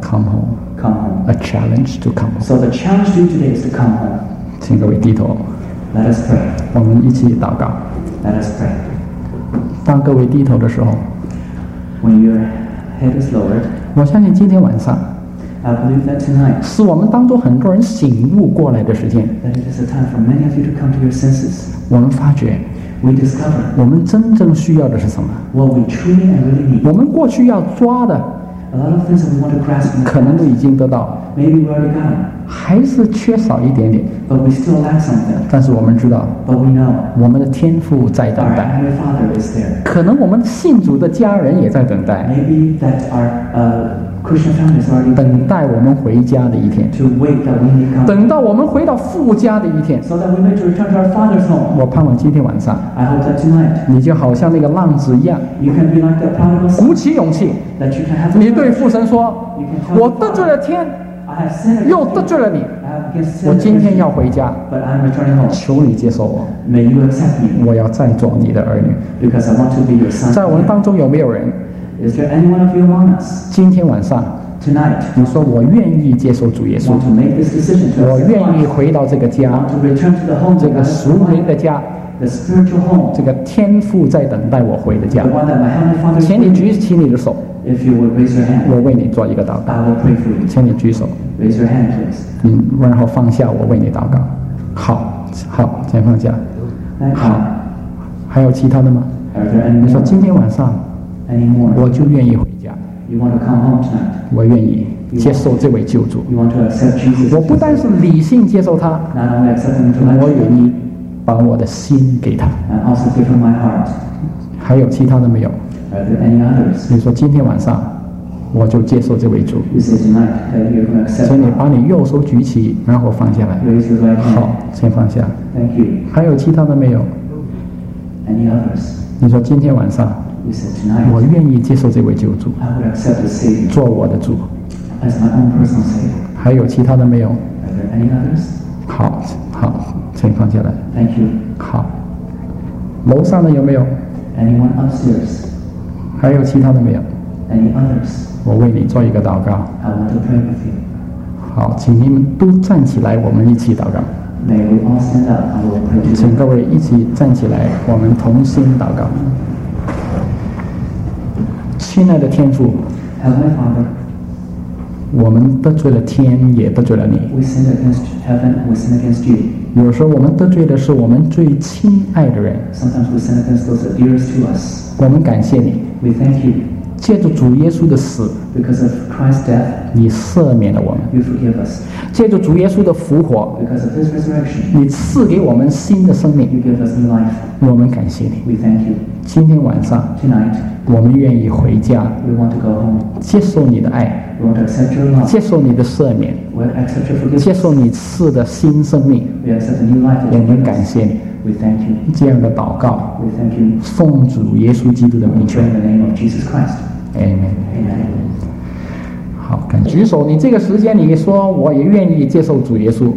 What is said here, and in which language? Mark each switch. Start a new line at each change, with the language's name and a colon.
English: come home, come home, a challenge to come home. So the challenge to you today is to come home.
Chinese: 请各位低头
English: Let us pray.
Chinese: 我们一起祷告
English: Let us pray.
Chinese: 当各位低头的时候
English: When your head is lowered,
Chinese: 我相信今天晚上
English: I believe that tonight,
Chinese: 是我们当中很多人醒悟过来的时间
English: that it is a time for many of you to come to your senses.
Chinese: 我们发觉
English: we discover,
Chinese: 我们真正需要的是什么
English: what we truly and really need.
Chinese: 我们过去要抓的
English: a lot of things that we want to grasp in the past,
Chinese: 可能都已经得到
English: maybe we already got it.
Chinese: 还是缺少一点点
English: but we still lack something.
Chinese: 但是我们知道
English: but we know,
Chinese: 我们的天父在等待
English: our Heavenly Father is there.
Chinese: 可能我们信主的家人也在等待
English: maybe that our Christian family is already
Chinese: 等待我们回家的一天
English: to wait that we may come.
Chinese: 等到我们回到父家的一天
English: so that we may return to our father's home.
Chinese: 我盼望今天晚上
English: I hope that tonight,
Chinese: 你就好像那个浪子一样
English: you can be like that prodigal son,
Chinese: 鼓起勇气
English: that you can have
Chinese: 你对父神说
English: you can tell
Chinese: 我得罪了天
English: I have sinned
Chinese: 又得罪了你
English: I have sin,
Chinese: 我今天要回家
English: but I'm returning home.
Chinese: 求你接受我
English: May you accept me.
Chinese: 我要再做你的儿女
English: Because I want to be your son.
Chinese: 在我们当中有没有人
English: Is there anyone of you among us?
Chinese: 今天晚上
English: Tonight,
Chinese: 你说我愿意接受主耶稣
English: want to make this decision to
Chinese: 我愿意回到这个家
English: want to return to the home
Chinese: 这个属灵的家
English: The spiritual home,
Chinese: 这个天父在等待我回的家
English: the one that my heavenly father
Chinese: 请你举起你的手
English: if you would raise your hand,
Chinese: 我为你做一个祷告
English: I will pray for you.
Chinese: 请你举手
English: raise your hand, please.
Chinese: 然后放下我为你祷告好好先放下好还有其他的吗
English: Are there any more?
Chinese: 你说今天晚上
English: anymore?
Chinese: 我就愿意回家
English: you want to come home tonight?
Chinese: 我愿意接受这位救主
English: you want to accept Jesus
Chinese: 我不但是理性接受他
English: not only accept him,
Chinese: 我愿意把我的心给他
English: and also give him my heart.
Chinese: 还有其他的没有
English: Are there any others?
Chinese: 你说今天晚上我就接受这位主
English: you say tonight that you're going to accept
Chinese: 所以你把你右手举起然后放下来
English: Raise your right hand.
Chinese: 好先放下
English: Thank you.
Chinese: 还有其他的没有
English: any others?
Chinese: 你说今天晚上
English: you say tonight,
Chinese: 我愿意接受这位救主
English: I would accept the Savior
Chinese: 做我的主
English: as my own personal Savior.
Chinese: 还有其他的没有
English: Are there any others?
Chinese: 好好请放下来
English: Thank you
Chinese: 好楼上的有没有
English: Anyone upstairs
Chinese: 还有其他的没有
English: Any others
Chinese: 我为你做一个祷告
English: I want to pray with you
Chinese: 好请你们都站起来我们一起祷告
English: May we all stand up I will pray with you
Chinese: 请各位一起站起来我们同心祷告亲爱的天父
English: Heavenly Father
Chinese: 我们得罪了天也得罪了你
English: we sinned against heaven, we sinned against you.
Chinese: 有时候我们得罪的是我们最亲爱的人
English: Sometimes we sinned against those that are dearest to us.
Chinese: 我们感谢你
English: we thank you.
Chinese: 借助主耶稣的死
English: Because of Christ's death,
Chinese: 你赦免了我们
English: you forgive us.
Chinese: 借助主耶稣的复活
English: Because of his resurrection,
Chinese: 你赐给我们新的生命
English: you give us new life.
Chinese: 我们感谢你
English: we thank you.
Chinese: 今天晚上
English: Tonight,
Chinese: 我们愿意回家
English: we want to go home.
Chinese: 接受你的爱
English: We want to accept your love.
Chinese: 接受你的赦免
English: we accept your forgiveness.
Chinese: 接受你赐的新生命
English: we accept a new life.
Chinese: 我们感谢你
English: we thank you.
Chinese: 这样的祷告
English: we thank you.
Chinese: 奉主耶稣基督的名求
English: in the name of Jesus Christ. Amen. Amen.
Chinese: 好举手你这个时间你说我也愿意接受主耶稣